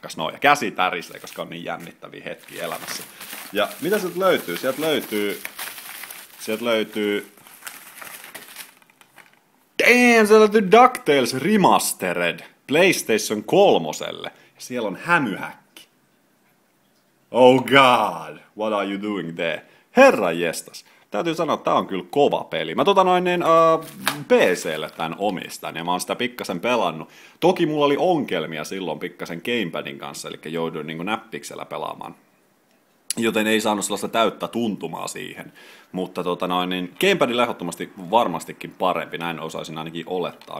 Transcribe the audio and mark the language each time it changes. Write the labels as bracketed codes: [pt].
[fi] Kas noin. Ja käsi tärisee, koska on niin jännittäviä hetkiä elämässä. Ja mitä sieltä löytyy? Sieltä löytyy... Damn, sieltä löytyy DuckTales Remastered PlayStation 3:lle. Ja siellä on hämyhäkki. [en] Oh god, what are you doing there? [fi] Herranjestas. Täytyy sanoa, että tää on kyllä kova peli. Mä PC:lle tän omistan, ja mä oon sitä pikkasen pelannut. Toki mulla oli ongelmia silloin pikkasen gamepadin kanssa, eli jouduin niin kuin näppiksellä pelaamaan. Joten ei saanut sellaista täyttä tuntumaa siihen. Mutta gamepadin lähdottomasti varmastikin parempi, näin osaisin ainakin olettaa.